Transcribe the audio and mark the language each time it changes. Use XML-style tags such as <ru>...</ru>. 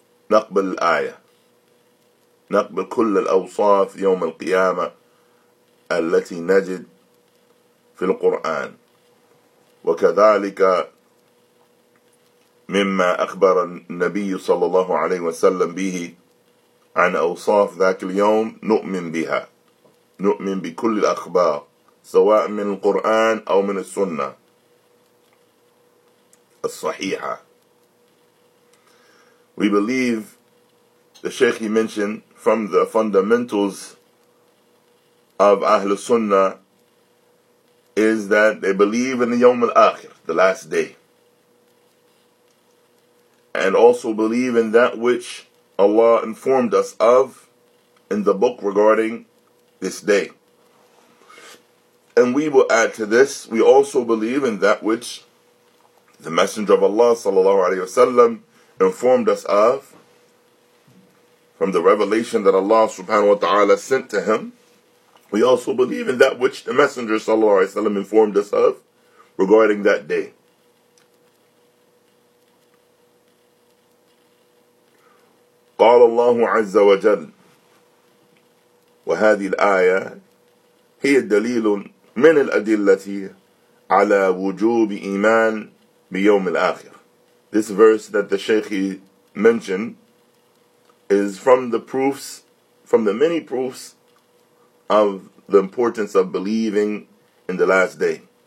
<ar>نقبل الآية نقبل كل الأوصاف يوم القيامة التي نجد في القرآن وكذلك مما أخبر النبي صلى الله عليه وسلم به عن أوصاف ذاك اليوم نؤمن بها نؤمن بكل الأخبار سواء من القرآن أو من السنة الصحيحة.</ar> <en>We believe, the Shaykh he mentioned, from the fundamentals of Ahlul Sunnah is that they believe in the Yawm Al-Akhir, the last day. And also believe in that which Allah informed us of in the book regarding this day. And we will add to this, we also believe in that which the Messenger of Allah sallallahu alayhi wa sallam informed us of from the revelation that Allah subhanahu wa ta'ala sent to him. We also believe in that which the Messenger sallallahu alayhi wa sallam informed us of regarding that day.</en> <ar>قال الله عز وجل وهذه الآية هي دليل من الأدلة على وجوب إيمان بيوم الآخر.</ar> <en>This verse that the Shaykh mentioned is from the proofs, from the many proofs of the importance of believing in the last day.</en>